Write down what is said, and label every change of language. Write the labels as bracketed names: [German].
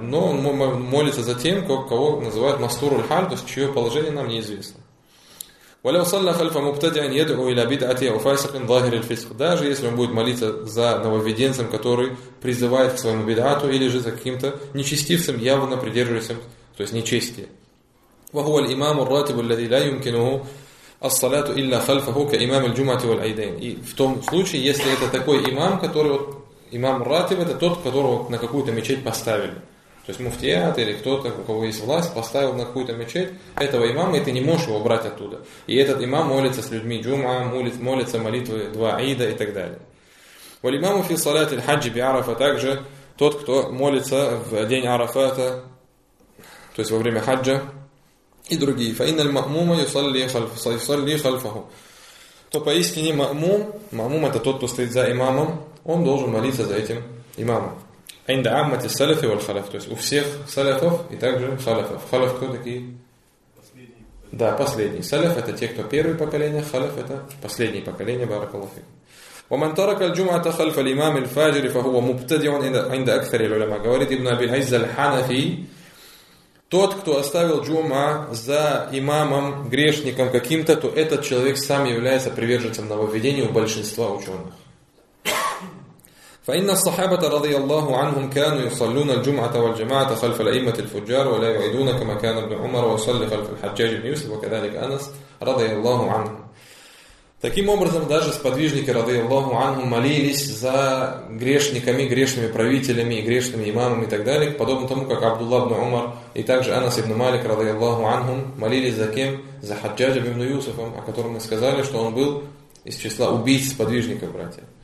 [Russian] Но он молится за тем, кого называют [Arabic] مَسْتُورُ الْحَالِ, [Russian] то есть, чье положение нам неизвестно. [Arabic] وَلَوْ صَلَّ خَلْفَ مُبْتَدِعٍ يَدْعُوا إِلَى بِدْعَةِ أَوْ فَاسِقٍ ظَاهِرِ الْفِسْقِ. [Russian] Даже если он будет молиться за нововведенцем, который призывает к своему бидату, или же за каким-то нечестивцем, явно придерживающим, то есть, нечестие. [Arabic] وهو الإمام الراتب الذي لا يمكنه الصلاة إلا خلفه كإمام الجمعة والعيدين. [Russian] И в том случае, если это такой имам, который вот, имам ратиб, это тот, которого на какую-то мечеть поставили. То есть муфтият или кто-то, у кого есть власть, поставил на какую-то мечеть этого имама, и ты не можешь его брать оттуда. И этот имам молится с людьми джума, молится молитвы два аида и так далее. [Arabic] Вал имаму фи салати аль-хаджи би арафа, [Russian] также тот, кто молится в день арафата, то есть во время хаджа, и другие. [Arabic] Фа инна аль-мамума юсалли хальфаху. [Russian] То поистине мамум, мамум это тот, кто стоит за имамом, он должен молиться за этим имамом. [Arabic] Инда аммати салафи валь халаф, [Russian] то есть у всех салафов и также халафов. Халаф кто такие? Последний. Да, последний. Салаф это те, кто первое поколение, халаф это последнее поколение, баракаллаху фик. [Arabic] ومن ترك الجمعة خلف الإمام الفاجر فهو مبتدع عند أكثر العلماء. [Russian] Говорит ابن أبي العز الحنفي, тот, кто оставил джума за имамом, грешником каким-то, то этот человек сам является приверженцем нововведения у большинства ученых. [Arabic] فإن الصحابة رضي الله عنهم كانوا يصلون الجمعة والجماعة خلف الأئمة الفجار ولا يعيدون كما كان ابن عمر وصلي خلف الحجاج بن يوسف وكذلك أنس رضي الله عنهم. [Russian] Таким образом, даже сподвижники, рады Аллаху Анху, молились за грешниками, грешными правителями, грешными имамами и так далее, подобно тому, как Абдулла ибн Умар и также Анас ибн Малик, рады Аллаху Анху, молились за кем? За Хаджаджа ибн Юсуфом, о котором мы сказали, что он был из числа убийц сподвижников, братья.